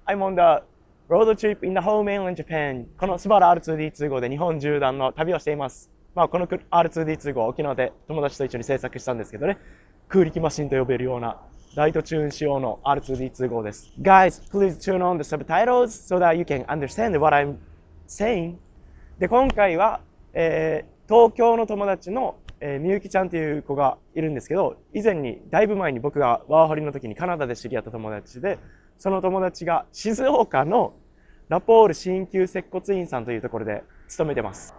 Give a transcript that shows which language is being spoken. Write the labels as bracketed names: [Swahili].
[English] I'm on the road trip in the home mainland Japan. [Japanese] このスバル R2D2 号で日本縦断の旅をしています。まあ、この R2D2 号は沖縄で友達と一緒に制作したんですけどね。空力マシンと呼べるようなライトチューン仕様の R2D2 号です。 [English] Guys, please turn on the subtitles so that you can understand what I'm saying. [Japanese] で、今回は、東京の友達のみゆきちゃんっていう子がいるんですけど、以前に、だいぶ前に僕がワーホリの時にカナダで知り合った友達で、その友達が静岡のラポール鍼灸接骨院さんというところで勤めてます。